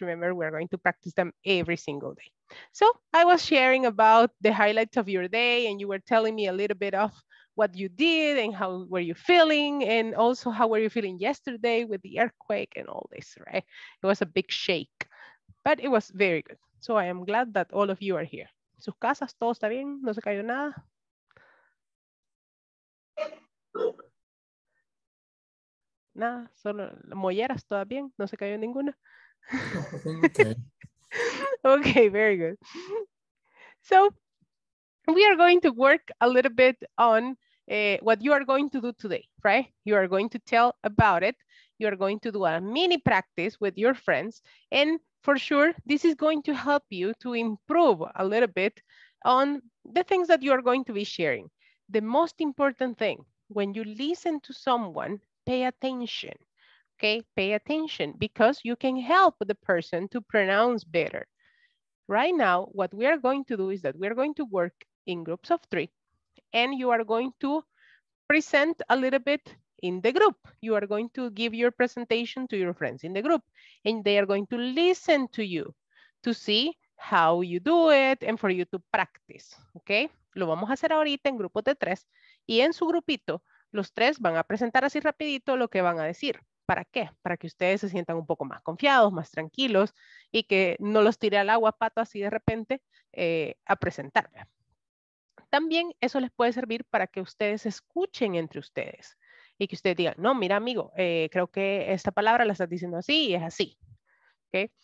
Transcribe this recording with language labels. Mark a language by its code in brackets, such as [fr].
[en] Remember, we're going to practice them every single day. So I was sharing about the highlights of your day, and you were telling me a little bit of what you did and how were you feeling, and also how were you feeling yesterday with the earthquake and all this, right? It was a big shake, but it was very good. So I am glad that all of you are here. [es] Sus casas, todo está bien, no se cayó nada. Nada, solo molleras, todo bien, no se cayó ninguna. [en] Okay, very good. So we are going to work a little bit on what you are going to do today, right? You are going to tell about it. You are going to do a mini practice with your friends. And for sure, this is going to help you to improve a little bit on the things that you are going to be sharing. The most important thing, when you listen to someone, pay attention, okay? Pay attention, because you can help the person to pronounce better. Right now, what we are going to do is that we are going to work in groups of 3, and you are going to present a little bit in the group. You are going to give your presentation to your friends in the group, and they are going to listen to you. to see how you do it and for you to practice, okay? [es] Lo vamos a hacer ahorita en grupos de tres y en su grupito, los tres van a presentar así rapidito lo que van a decir. ¿Para qué? Para que ustedes se sientan un poco más confiados, más tranquilos y que no los tire al agua pato así de repente a presentar. También eso les puede servir para que ustedes escuchen entre ustedes y que ustedes digan, no, mira amigo, creo que esta palabra la estás diciendo así y es así. ¿Okay?